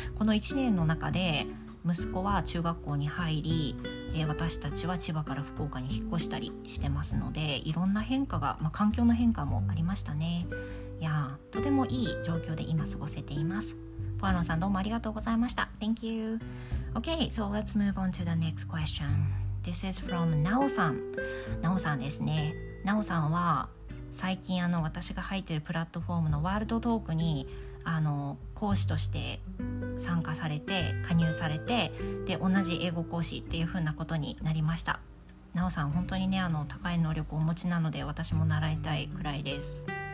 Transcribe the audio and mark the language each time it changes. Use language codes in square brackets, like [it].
[ja] この1年の中で息子は中学校に入り、私たちは千葉から福岡に引っ越したりしてますので、いろんな変化が、環境の変化もありましたね。いや、とてもいい状況で今過ごせています。ポアロンさんどうもありがとうございました。 [en] Thank you. Okay, so let's move on to the next question. This is from Nao さん。Nao さんですね。 [ja] Nao さんは最近私が入っているプラットフォームのワールドトークに講師として参加されて、加入されて、で同じ英語講師っていう風なことになりました。なおさん本当にね高い能力をお持ちなので、私も習いたいくらいです。